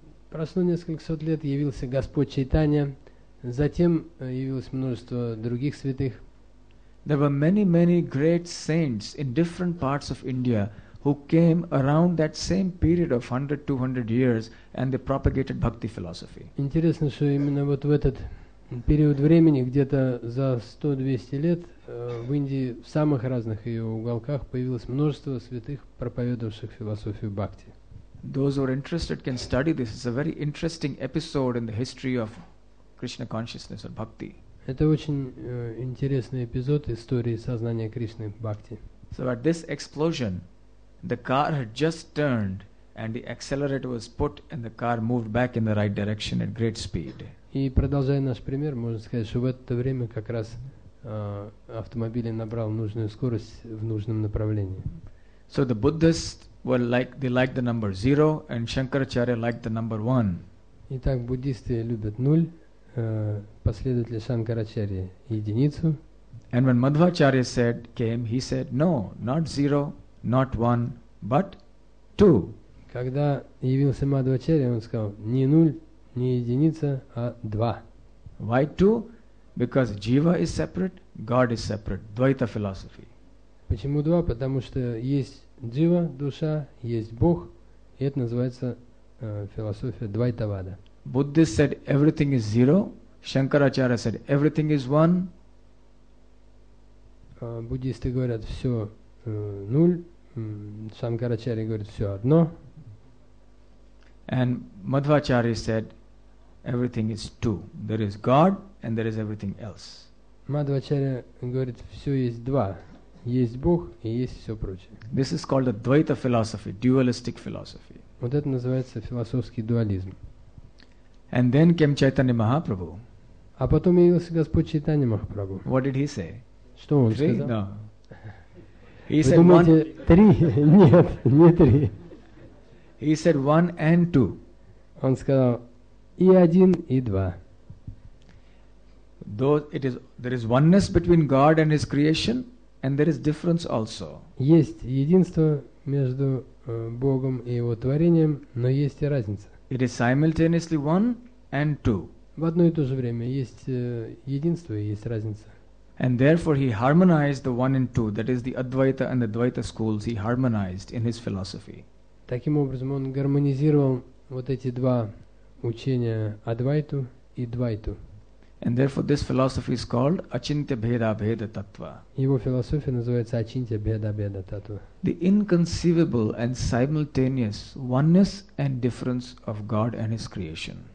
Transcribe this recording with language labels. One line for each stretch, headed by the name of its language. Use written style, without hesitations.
Russian: прошло несколько сот лет, явился Господь Чайтанья, затем явилось множество других святых.
English: There were many, many great saints in different parts of India who came around that same period of 100-200 years and they propagated bhakti philosophy.
Russian: Интересно, что именно вот в этот период времени, где-то за 100-200 лет, в Индии в самых разных ее уголках появилось множество святых, проповедовавших философию бхакти.
English: Those who are interested can study this. It's a very interesting episode in the history of Krishna consciousness or bhakti.
Russian: Это очень интересный эпизод истории сознания Кришны бхакти.
English: So at this explosion, the car had just turned and the accelerator was put and the car moved back in the right direction at great speed.
Russian: И продолжая наш пример, можно сказать, что в это время как раз автомобиль набрал нужную скорость в нужном направлении.
English: So the Buddhists were like, they liked the number zero, and Shankaracharya liked the number one.
Russian: Итак, буддисты любят ноль, последователи Шанкарачарьи единицу.
English: And when Madhvacharya said, came, he said, no, not zero, not one, but two.
Russian: Когда явился Мадхвачарья, он сказал, не ноль, не единица, а два.
English: Why two? Because Jiva is separate, God is separate. Dvaita philosophy.
Russian: Почему два? Потому что есть Джива, душа, есть Бог, и это называется философия Двайтавада.
English: Buddha said everything is zero. Shankaracharya said everything is one.
Russian: Буддисты говорят все ноль. Шанкарачарья говорит все одно.
English: And Madhvacharya said everything is two. There is God and there is everything else.
Russian: Madhvacharya говорит все есть два. Есть Бог и есть все прочее.
English: This is called a Dvaita philosophy, dualistic philosophy.
Russian: Вот это называется философский дуализм.
English: And then came Chaitanya Mahaprabhu.
Russian: А потом явился Господь Чайтанья Махапрабху.
English: What did he say?
Russian: Что он
English: three?
Russian: Сказал?
English: No. He
Russian: Вы
English: said
Russian: думаете,
English: one...
Russian: три? Нет, не три.
English: He said one and two.
Russian: Он сказал и один, и два.
English: Though it is, there is oneness between God and His creation, and there is difference also.
Russian: Есть единство между Богом и Его творением, но есть и разница.
English: It is simultaneously one and two.
Russian: В одно и то же время есть единство и есть разница.
English: And therefore he harmonized the one and two, that is the Advaita and the Dvaita schools, he harmonized in his philosophy.
Russian: Таким образом он гармонизировал вот эти два учения Адвайту и Двайту.
English: And therefore this philosophy is called Achintya Bheda Bheda Tattva.
Russian: Его философия называется Achintya Bheda Bheda Tattva.
English: The inconceivable and simultaneous oneness and difference of God and His creation.